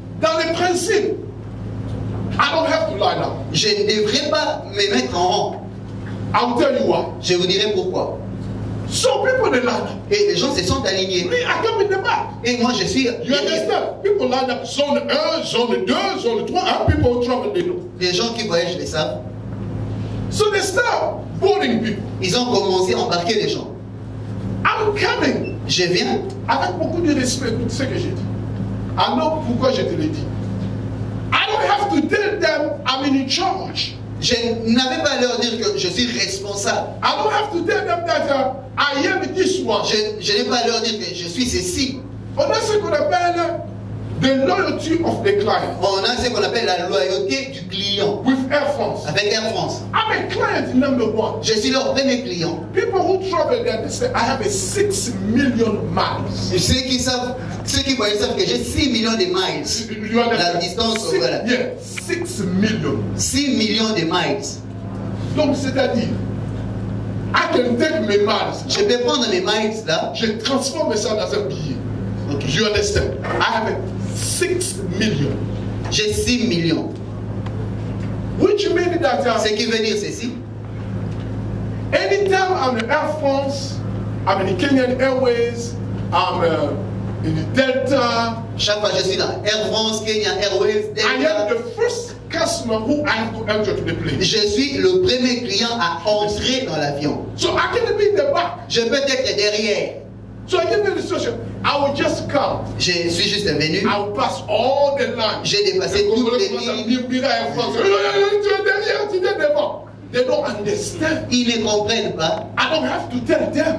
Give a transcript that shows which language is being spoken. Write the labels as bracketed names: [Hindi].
[French] Dans le principe, [English] I don't have to line up. [French] Je ne devrais pas me mettre en rang. [English] I'll tell you why. [French] Je vous dirai pourquoi. [English] Some people they line up. [French] Et les gens se sont alignés. [English] Me, I come in the back. [French] Et moi je suis. [English] You understand? People line up zone 1, zone 2, zone 3. And people travel the road. [French] Les gens qui voyagent les savent. [English] So they start boarding people. [French] Ils ont commencé à embarquer les gens. [English] I'm coming. [French] Je viens. Avec beaucoup de respect pour ce que j'ai dit. [English] I know [French] pourquoi je te l'ai dit. [English] I don't have to tell them I'm in charge. [French] Je n'avais pas à leur dire que je suis responsable. [English] I don't have to tell them that I am this one. [French] Je n'ai pas à leur dire que je suis ceci. On a ce qu'on appelle [English] the loyalty of the client. [French] On a ce qu'on appelle la loyauté du client. [English] With Air France. [French] Avec Air France. [English] I'm a client number one. [French] Je suis leur premier client. [English] People who travel there, they say I have a 6 million miles. [French] Et ceux qui voient savent que j'ai 6 millions de miles. La distance, six, voilà. [English] Yeah, 6 millions. [French] 6 millions de miles. Donc, c'est-à-dire, [English] I can take my miles. [French] Je peux prendre mes miles là. Je transforme ça dans un billet. [English] Okay. You understand? I have 6 millions. [French] J'ai 6 millions. [English] Which means that. [French] Ce qui veut dire ceci. [English] Anytime I'm in Air France, I'm in Kenyan Airways, I'm. In the Delta. [French] Chaque fois je suis dans Air France, Kenya, Airways, Delta. [English] I am the first customer who I have to enter to the plane. [French] Je suis le premier client à entrer dans l'avion. [English] So I can be in the back. [French] Je peux être derrière. [English] So I give you the instruction. I will just come. [French] Je suis juste venu. [English] I will pass all the lines. [French] J'ai dépassé toutes les lignes. Tu es derrière, tu es devant. [English] They don't understand. [French] Ils ne comprennent pas. [English] I don't have to tell them.